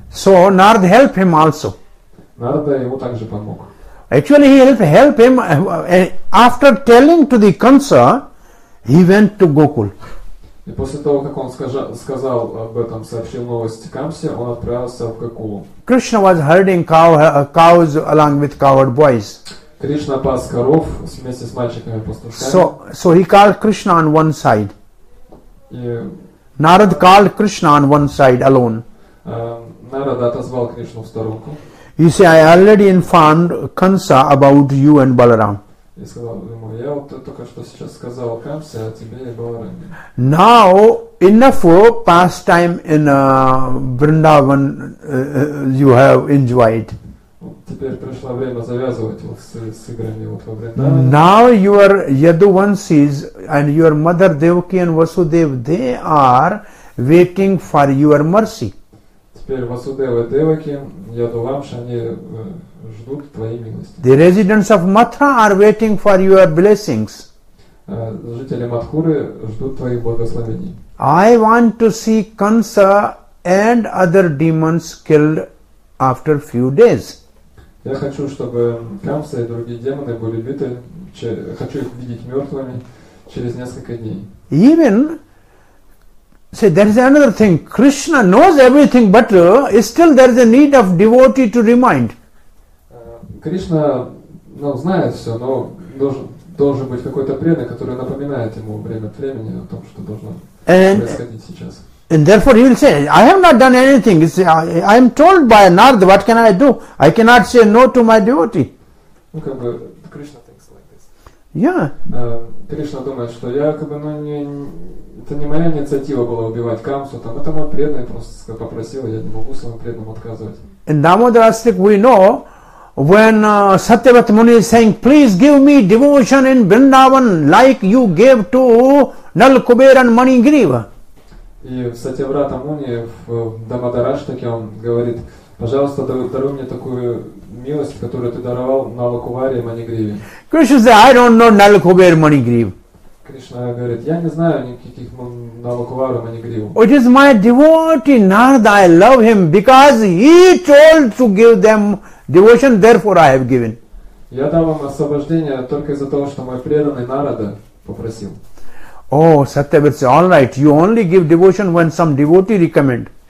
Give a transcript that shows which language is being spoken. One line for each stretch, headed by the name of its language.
English: So Narada help him also.
Russian: Нарада ему также помог.
English: Actually he help him after telling to the Kamsa, he went to Gokul.
Russian: И после того, как он сказал об этом, сообщил новости Камсе, он отправился в Гокулу.
English: Krishna was herding cows along with coward boys.
Russian: Кришна пас коров вместе с мальчиками-пастушками.
English: So he called Krishna on one side. Narada called Krishna on one side alone.
Russian: Narada отозвал Кришну в сторонку.
English: He said, I already informed Kamsa about you and Balaram.
Russian: И сказал ему, я вот только что сейчас сказал Камсе о тебе и Балараме.
English: Now, enough pastime in Vrindavan you have enjoyed.
Russian: Теперь пришло время завязывать вот с играми вот во время.
English: Now your Yaduvansis and your mother Devaki and Vasudev, they are waiting for your mercy.
Russian: Теперь Васудева и Деваки, Ядувамши, они ждут твоей милости.
English: The residents of Mathura are waiting for your blessings.
Russian: Жители Матхуры ждут твоих благословений.
English: I want to see Kamsa and other demons killed after few days.
Russian: Я хочу, чтобы Камса и другие демоны были убиты, хочу их видеть мертвыми через несколько дней.
English: Even, see, there is another thing. Krishna knows everything, but still there is a need of devotee to remind.
Russian: Кришна, ну, знает все, но должен быть какой-то преданный, который напоминает ему время от времени о том, что должно происходить сейчас.
English: And therefore he will say, I have not done anything. I am told by Narada, what can I do? I cannot say no to my devotee.
Russian: Ну, как бы, Кришна
English: thinks like this. Yeah.
Russian: Кришна думает, что я, как бы, ну, не, это не моя инициатива была убивать Камсу, там, это мой преданный просто попросил, я не могу своему преданному отказывать.
English: In Damodar Astik we know, when Satyavrata Muni is saying, please give me devotion in Vrindavan like you gave to Nal Kuber and Manigriva.
Russian: И в Сатьяврата Муни, в Дамодараштаке, он говорит, пожалуйста, даруй мне такую милость, которую ты даровал Налакувари и Манигриве. Кришна говорит,
English: I don't know
Russian: Налакувари и Манигриву. Кришна говорит, я не знаю никаких Налакувари и Манигриву.
English: It is my devotee Narada, I love him, because he told to give them devotion, therefore I have given.
Russian: Я дал вам освобождение только из-за того, что мой преданный Нарада попросил.
English: Oh, Satyavrata says, all right, you only give devotion when some devotee recommend.